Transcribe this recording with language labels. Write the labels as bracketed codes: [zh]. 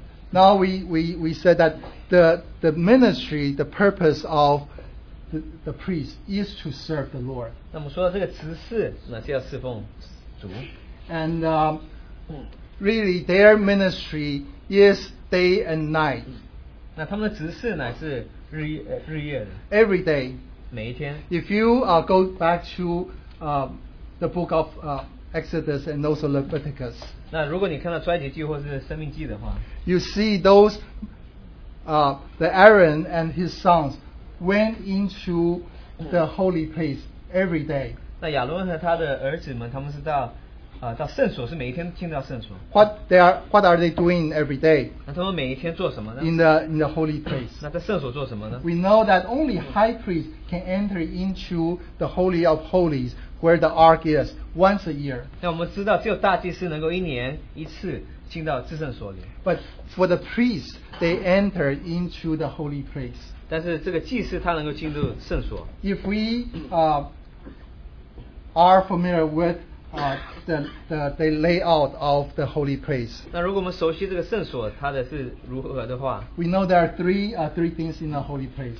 [en] Now we said that the ministry, the purpose of the priest is to serve the Lord. [zh] 那么说到这个执事，那是要侍奉主。 [en] And really, their ministry is day and night. [zh] 那他们的执事乃是日夜的。 [en] Every day. [zh] 每一天。 [en] If you go back to the book of Exodus and also Leviticus. [zh] 那如果你看到出埃及记或是生命记的话, [en] you see those the Aaron and his sons went into the holy place every day. [zh] 那亚伦和他的儿子们他们是到 到圣所是每一天进到圣所。 [en] What are they doing every day? [zh] 那他们每一天做什么呢? [en] In the holy place. [zh] 那在圣所做什么呢? [en] We know that only high priest can enter into the holy of holies where the ark is once a year. [zh] 那我们知道只有大祭司能够一年一次进到至圣所里。 [en] But for the priest, they enter into the holy place. [zh] 但是这个祭司他能够进入圣所。 [en] If we are familiar with the layout of the holy place. [zh] 那如果我们熟悉这个圣所它的是如何的话, [en] we know there are three things in the holy place.